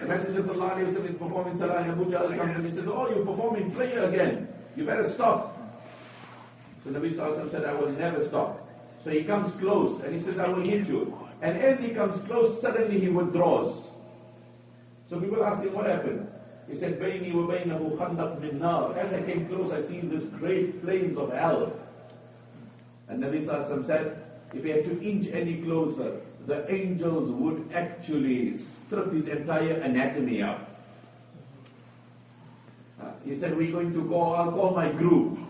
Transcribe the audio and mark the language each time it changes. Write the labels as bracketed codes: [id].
[en] The Messenger sallallahu alayhi wa sallam is performing salah and Abu Jahl comes and he says, oh, you're performing prayer again. You better stop. So Nabi sallallahu alayhi wa sallam said, I will never stop. So he comes close and he says, I will hit you. And as he comes close, suddenly he withdraws. So people ask him, what happened? He said, [ar] بَيْنِي وَبَيْنَهُ خَنْدَقْ مِنْ نَارِ. [en] As I came close, I seen this great flames of hell. And Nabi Sallallahu Alaihi Wasallam said, if he had to inch any closer, the angels would actually strip his entire anatomy up. He said, we're going to call, I'll call my group.